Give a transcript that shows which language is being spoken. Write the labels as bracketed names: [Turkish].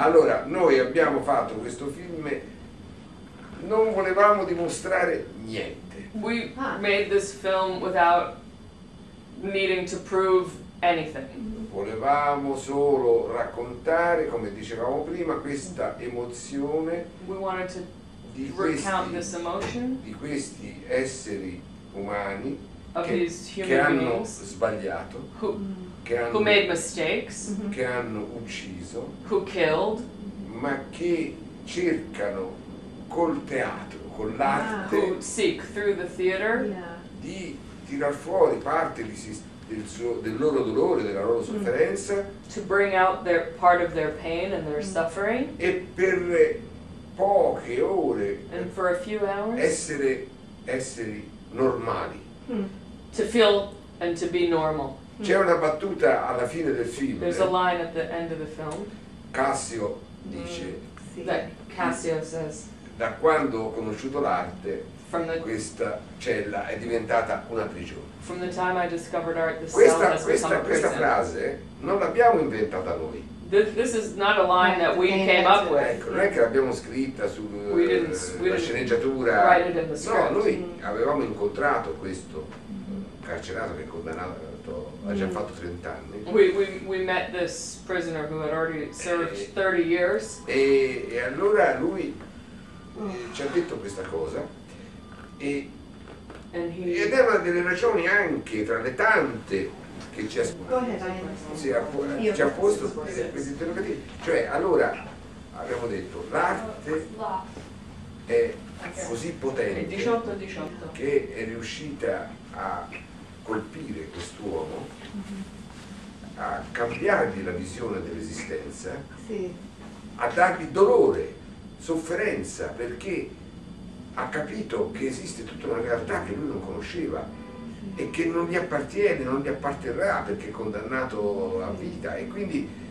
[Italian] Allora, noi abbiamo fatto questo film, non volevamo dimostrare niente. [English] We made this film without needing to prove anything. [Italian] Volevamo solo raccontare, come dicevamo prima, questa emozione. [English] We wanted to recount this emotion. [Italian] Di questi esseri umani. [English] Of [Italian] che, [English] these human [Italian] che hanno [English] beings [Italian] sbagliato, [English] who made mistakes, [Italian] che hanno ucciso, [English] who killed, [Italian] ma che cercano col teatro, con l'arte, [English] yeah, who seek through the theater, yeah, [Italian] di tirar fuori parte di se, del, suo, del loro dolore, della loro sofferenza, [English] to bring out their part of their pain and their suffering, [Italian] e per poche ore, [English] and for a few hours, [Italian] essere esseri normali. [English] To feel and to be normal. [Italian] C'è una battuta alla fine del film. [English] There's a line at the end of the film. [Italian] Cassio dice. [English] That Cassio says. [Italian] Da quando ho conosciuto l'arte, questa cella è diventata una prigione. [English] From the time I discovered art, this cell has become a prison. [Italian] Questa frase non l'abbiamo inventata noi. [English] This is not a line that we came up with. [Italian] Ecco, non è che l'abbiamo scritta sulla sceneggiatura. No, noi avevamo incontrato questo carcerato che è condannato, ha già fatto 30 anni. [English] We met this prisoner who had already served 30 years. [Italian] E allora lui ci ha detto questa cosa ed era delle ragioni anche tra le tante che ci ha posto questi interrogativi. Cioè, allora, abbiamo detto, l'arte è così potente che è riuscita a colpire quest'uomo, a cambiargli la visione dell'esistenza, a dargli dolore, sofferenza, perché ha capito che esiste tutta una realtà che lui non conosceva e che non gli appartiene, non gli apparterrà perché è condannato a vita, e quindi